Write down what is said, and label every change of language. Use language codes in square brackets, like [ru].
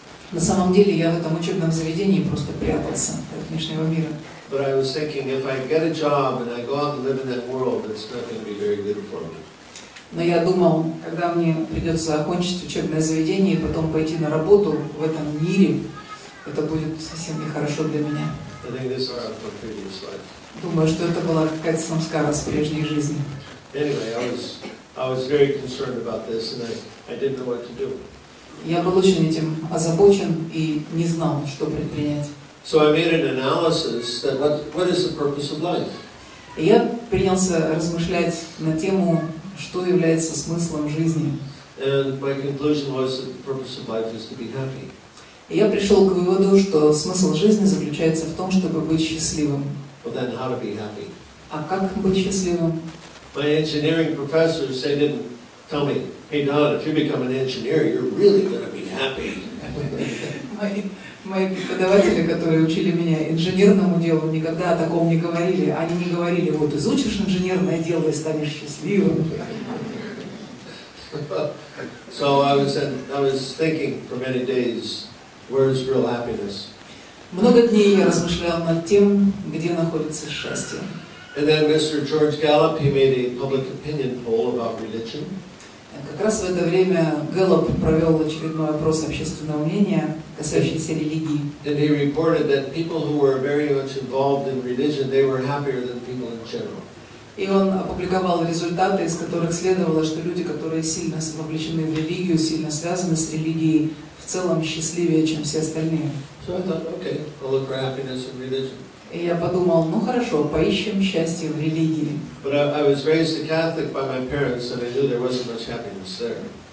[ru] На самом деле я в этом учебном заведении просто прятался от внешнего мира. [en] But I was thinking, if I get a job and I go out and live in that world, it's not going to be very good for me. [ru] Но я думал, когда мне придется окончить учебное заведение и потом пойти на работу в этом мире, это будет совсем нехорошо для меня. [en] I think this is from previous life. [ru] Думаю, что это была какая-то самскара с прежней жизни. [en] Anyway, I was very concerned about this, and I didn't know what to do. [ru] Я был очень этим озабочен и не знал, что предпринять. [en] So I made an analysis that what is the purpose of life? [ru] И я принялся размышлять на тему, что является смыслом жизни. [en] And my conclusion was that the purpose of life is to be happy. [ru] И я пришел к выводу, что смысл жизни заключается в том, чтобы быть счастливым. [en] Well, then how to be happy? [ru] А как быть счастливым? [en] My engineering professors, they didn't tell me, hey Don, if you become an engineer, you're really going to be happy. [ru] Мои преподаватели, которые учили меня инженерному делу, никогда о таком не говорили. Они не говорили, вот изучишь инженерное дело и станешь счастливым. [en] So I was thinking for many days, where is real happiness? [ru] Много дней я размышлял над тем, где находится счастье. [en] And then Mr. George Gallup, he made a public opinion poll about religion. [ru] Как раз в это время Гэллоп провел очередной опрос общественного мнения, касающийся религии. [en] And he reported that people who were very much involved in religion, they were happier than people in general. [ru] И он опубликовал результаты, из которых следовало, что люди, которые сильно вовлечены в религию, сильно связаны с религией, в целом счастливее, чем все остальные. [en] So I thought, okay, I'll look for happiness in religion. [ru] И я подумал, ну хорошо, поищем счастье в религии. [en] But I was raised a Catholic by my parents, and I knew there wasn't much happiness there.